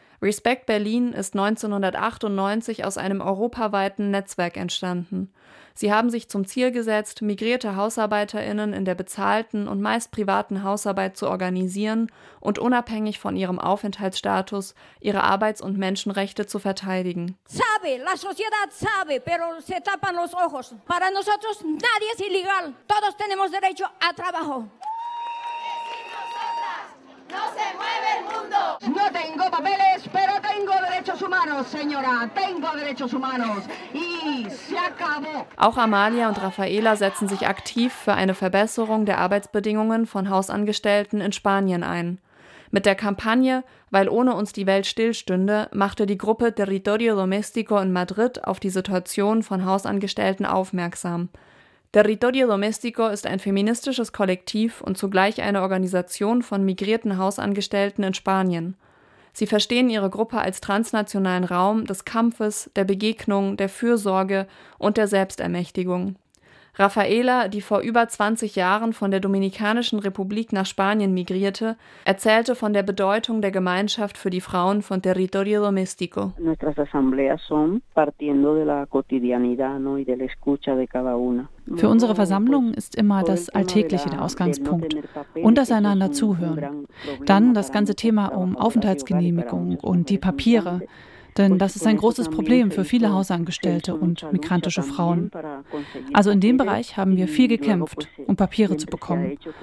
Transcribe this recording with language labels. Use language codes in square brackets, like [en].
[de] Respect Berlin ist 1998 aus einem europaweiten Netzwerk entstanden. Sie haben sich zum Ziel gesetzt, migrierte HausarbeiterInnen in der bezahlten und meist privaten Hausarbeit zu organisieren und unabhängig von ihrem Aufenthaltsstatus ihre Arbeits- und Menschenrechte zu verteidigen. [es] Sabe, la sociedad sabe, pero se tapan los ojos. Para nosotros nadie es ilegal. Todos tenemos derecho a trabajo. No tengo papeles, pero tengo derechos humanos, señora. Tengo derechos humanos. Y se acabó. [de] Auch Amalia und Rafaela setzen sich aktiv für eine Verbesserung der Arbeitsbedingungen von Hausangestellten in Spanien ein. Mit der Kampagne »Weil ohne uns die Welt stillstünde« machte die Gruppe Territorio Doméstico in Madrid auf die Situation von Hausangestellten aufmerksam. Territorio Doméstico ist ein feministisches Kollektiv und zugleich eine Organisation von migrierten Hausangestellten in Spanien. Sie verstehen ihre Gruppe als transnationalen Raum des Kampfes, der Begegnung, der Fürsorge und der Selbstermächtigung. Rafaela, die vor über 20 Jahren von der Dominikanischen Republik nach Spanien migrierte, erzählte von der Bedeutung der Gemeinschaft für die Frauen von Territorio Doméstico. [es] Nuestras asambleas son partiendo de la cotidianidad, ¿no? Y de la escucha de cada una. [de] Für unsere Versammlung ist immer das Alltägliche der Ausgangspunkt und das einander zuhören. Dann das ganze Thema um Aufenthaltsgenehmigung und die Papiere, denn das ist ein großes Problem für viele Hausangestellte und migrantische Frauen. Also in dem Bereich haben wir viel gekämpft, um Papiere zu bekommen.